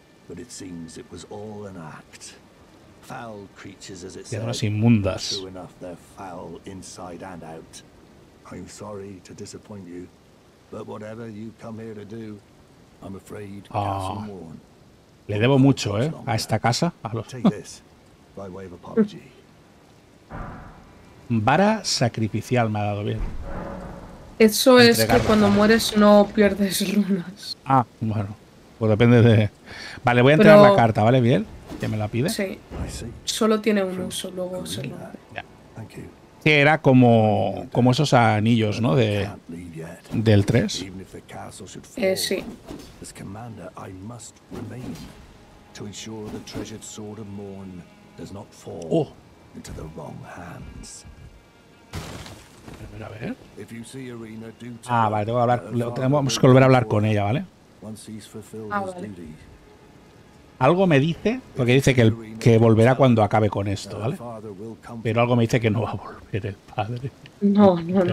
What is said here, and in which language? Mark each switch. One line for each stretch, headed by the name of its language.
English: But it seems it was all an act. Foul creatures as it said.
Spanish: Tierras inmundas.
English: True enough, they're foul inside and out. I'm sorry to disappoint you, but whatever you come here to do, I'm afraid castle worn.
Spanish: Le debo mucho, a esta casa.
English: Take this by way of apology.
Spanish: Vara sacrificial me ha dado bien. Eso es que cuando mueres no pierdes runas. Ah, bueno. Pues depende de. Vale, voy a entregar la carta, ¿vale? Bien, ¿que me la pide? Sí. Solo tiene un uso, luego se lo hace. Ya. Que era como esos anillos, ¿no? Del 3. Sí.
English: As commander, I must remain to ensure the treasured sword of Morn does not fall into the wrong hands.
Spanish: A ver.
English: If you see Irina, do tell.
Spanish: Ah, vale, tenemos que volver a hablar con ella, ¿vale? Vale. Algo me dice, porque dice que volverá cuando acabe con esto, ¿vale? Pero algo me dice que no va a volver el padre. No, no. Pero